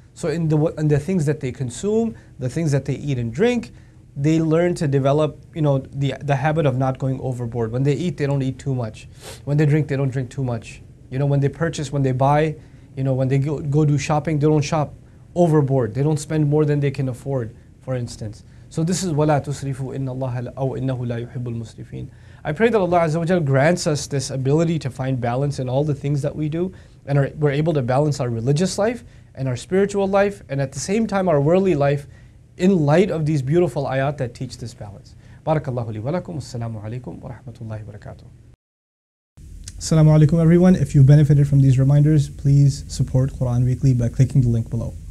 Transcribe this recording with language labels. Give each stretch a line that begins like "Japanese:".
English: So in the things that they consume, the things that they eat and drink, they learn to develop, you know, the habit of not going overboard. When they eat, they don't eat too much. When they drink, they don't drink too much. You know, when they purchase, when they buy, you know, when they go do shopping, they don't shop overboard. They don't spend more than they can afford, for instance. So this is
Arabic: وَلَا تُسْرِفُوا إِنَّ اللَّهَ أَوْ إِنَّهُ لَا يُحِبُّ الْمُسْرِفِينَ.
English: I pray that Allah Azza wa Jalla grants us this ability to find balance in all the things that we do, and we're able to balance our religious life and our spiritual life, and at the same time our worldly life, in light of these beautiful ayat that teach this balance. Barakallahu li wa lakum. Assalamu alaikum wa rahmatullahi wa barakatuh. Assalamu alaikum everyone. If you benefited from these reminders, please support Quran Weekly by clicking the link below.